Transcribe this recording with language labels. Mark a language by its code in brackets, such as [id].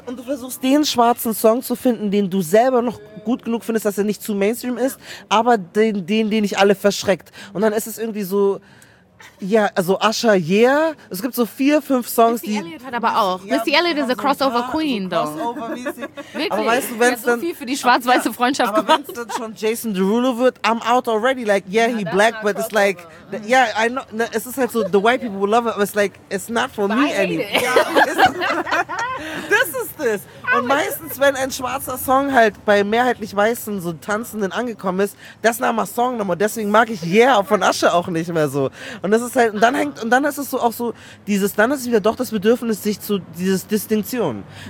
[de] Und du versuchst, den schwarzen Song zu finden, den du selber noch gut genug findest, dass er nicht zu Mainstream ist, aber den nicht alle verschreckt. Und dann ist es irgendwie so, ja, also Usher, es gibt so 4-5 Songs, Missy Elliott hat aber auch. Ja, Missy Elliott ist [en] a crossover queen, though. [de] Crossover-mäßig. Aber weißt du, wenn's dann, so viel für die schwarz-weiße Freundschaft aber gemacht. Aber wenn es dann schon Jason Derulo wird, [en] I'm out already. Like, he black, but it's like, I know, [de] es ist halt so, [en] the white people will love it, but it's like, it's not for me anymore. This is this. [de] Und meistens, wenn ein schwarzer Song halt bei mehrheitlich weißen so Tanzenden angekommen ist, das nahm mal Song nochmal. Deswegen mag ich von Usher auch nicht mehr so. Und das ist halt, und dann hängt, und dann ist es so auch so, dieses, dann ist es wieder doch das Bedürfnis, sich zu, dieses Distinktion.